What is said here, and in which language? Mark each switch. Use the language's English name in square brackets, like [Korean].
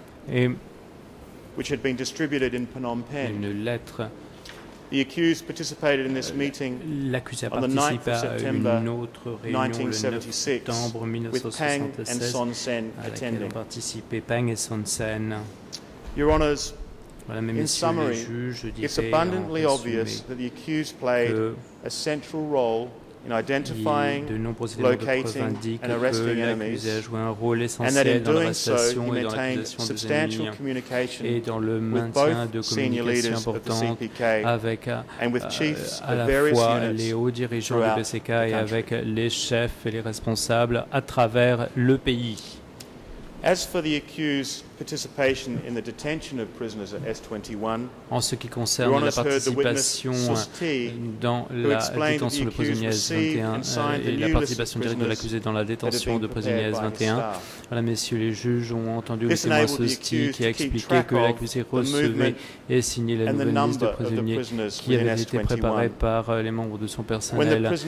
[French] Et une lettre. [English] The accused participated in this meeting [French] L'accusé a participé à une autre réunion le 9 septembre 1976 à laquelle ont participé Peng et Son Sen. [English] In summary, it's abundantly obvious that the accused played a central role in identifying, locating, and arresting enemies, [French] a joué un rôle essentiel [English] and that in doing so, he maintained substantial communication with both senior leaders of the CPK [French] avec, [English] and with chiefs of various units throughout the PCK [French] et avec les chefs et les responsables à travers le pays. [English] As for the accused's participation in the detention of prisoners at S21, [French] en ce qui concerne la participation dans la détention de prisonniers S21 et la participation directe de l'accusé dans la détention de prisonniers S21, voilà, messieurs les juges ont entendu le témoin Sosti qui a expliqué que l'accusé recevait et signait la nouvelle liste de prisonniers qui avait été préparée par les membres de son personnel.